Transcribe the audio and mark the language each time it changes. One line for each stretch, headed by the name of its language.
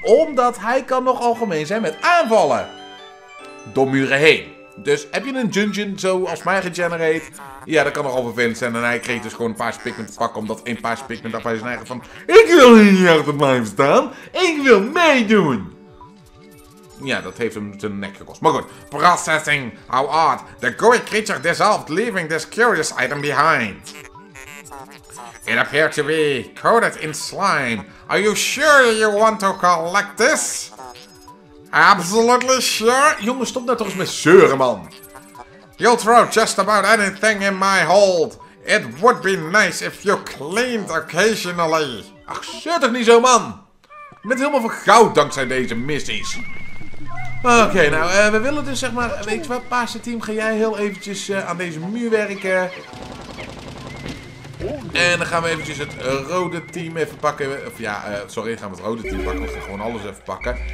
Dutch: Omdat hij kan nogal gemeen zijn met aanvallen. Door muren heen. Dus heb je een dungeon zoals mij regenerate? Ja, dat kan nogal vervelend zijn. En hij kreeg dus gewoon een paar Pikmin te pakken. Omdat een paar Pikmin daarbij zijn eigen van... Ik wil hier niet achter mij staan. Ik wil meedoen. Ja, dat heeft hem zijn nek gekost. Maar goed.
English: Processing. How odd. The gory creature dissolved, leaving this curious item behind. It appeared to be coated in slime. Are you sure you want to collect this? Absolutely sure.
Dutch: Jongens, stop nou toch eens met zeuren, man.
English: You'll throw just about anything in my hold. It would be nice if you cleaned occasionally.
Dutch: Ach, zeur toch niet zo, man. Je bent helemaal vergoud dankzij deze missies. Oké, we willen dus zeg maar... Weet je wat, paarse team, ga jij heel eventjes aan deze muur werken. En dan gaan we eventjes het rode team even pakken. Gaan we het rode team pakken. We gaan gewoon alles even pakken.